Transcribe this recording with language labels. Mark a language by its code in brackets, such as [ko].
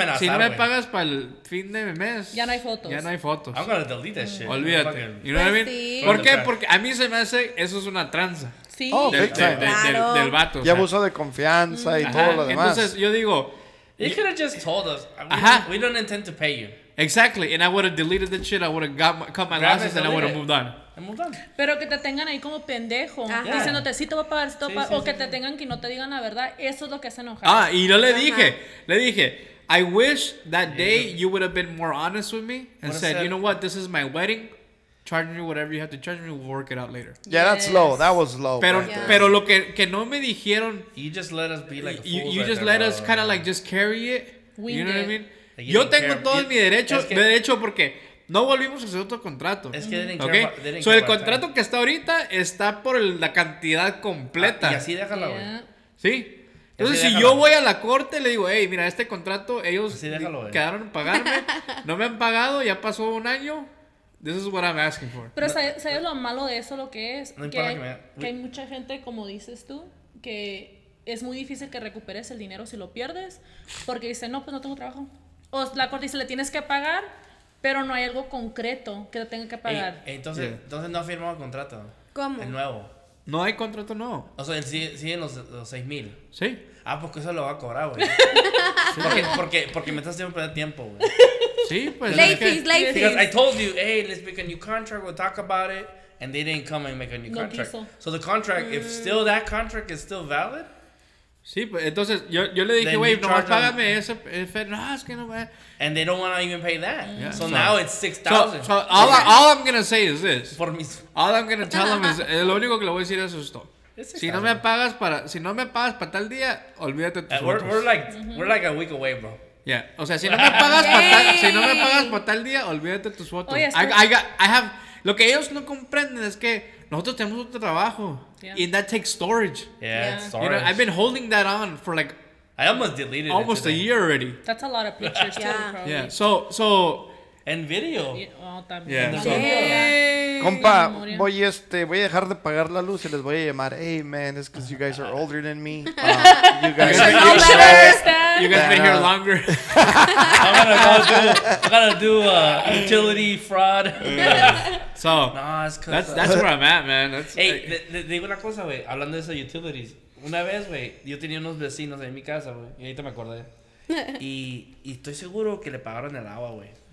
[es] Si no me pagas para el fin de mes, Ya no hay fotos. [en] I'm gonna delete that shit. [es] Olvídate. [en] You know what I mean? [es] ¿Por qué? Porque a mí se me hace, eso es una tranza. Sí. Del vato. Y abuso de confianza y todo lo demás. Entonces, yo digo, [en] you could have just told us, we don't intend to pay you. Exactly, and I would have deleted the shit, I would have cut my losses, and I would have moved on. [es] Pero que te tengan ahí como pendejo, diciéndote, sí te voy a pagar, sí, pa-, sí, o sí, que sí, te tengan que no te digan la verdad, eso es lo que hace enojar. Ah, y yo le dije, [en] I wish that day you would have been more honest with me, and said, you know what, this is my wedding, charge me whatever you have to charge me, we'll work it out later. Yeah, that's low, that was low. [es] Pero lo que no me dijeron, [en] you just let us be like, you just let us kind of like just carry it, you know what I mean? [es] Like, yo tengo todo mi derecho, porque no volvimos a hacer otro contrato. Es que [en] didn't care, ¿okay? [es] So el contrato que está ahorita está por la cantidad completa. Y así déjalo, güey. Sí. Entonces, si yo voy a la corte, le digo, hey, mira, este contrato, ellos quedaron a pagarme. No me han pagado, ya pasó un año. [en] This is what I'm asking for. [es] Pero ¿sabes lo malo de eso, lo que es? Que hay mucha gente, como dices tú, que es muy difícil que recuperes el dinero si lo pierdes. Porque dicen, no, pues no tengo trabajo. O la corte dice, le tienes que pagar, pero no hay algo concreto que te tenga que pagar. Entonces no ha firmado el contrato. ¿Cómo? El nuevo. No hay contrato nuevo. O sea, él sigue en los 6,000. Sí. Ah, porque eso lo va a cobrar, güey. Sí. Porque me estás haciendo perder tiempo, güey. Sí, pues. [en] Late fees. Because I told you, hey, let's make a new contract, we'll talk about it. And they didn't come and make a new contract. No, so the contract, if still that contract is still valid. [es] Sí, pues entonces yo le dije, güey, nomás págame ese. No, es que no va. [en] And they don't want to even pay that. Yeah. So now it's $6,000. So all I'm going to say is this. [es] Por mis... [en] All I'm going to tell them is, [es] lo único que le voy a decir es esto. Si no me pagas para, si no me pagas para tal día, olvídate de tus votos. [en] We're like a week away, bro. [es] Yeah. O sea, si no me pagas para tal, si no me pagas para tal día, olvídate de tus votos. [en] I have, [es] lo que ellos no comprenden es que nosotros tenemos otro trabajo. [en] Yeah. And that takes storage. Yeah. You know, I've been holding that on for like I almost deleted it a year already. That's a lot of pictures too, probably. Yeah. So and video. Yeah. Well, yeah. Yeah. [es] Compa, voy a dejar de pagar la luz y les voy a llamar. [en] Hey man, it's because you guys are older than me. You guys been here longer. I'm gonna do utility fraud. So no, it's that's where I'm at, man. That's, [es] hey, digo una cosa, wey. Hablando de eso, utilities. Una vez, wey, yo tenía unos vecinos en mi casa, wey. Y ahorita me acordé. Y estoy seguro que le pagaron el agua, wey.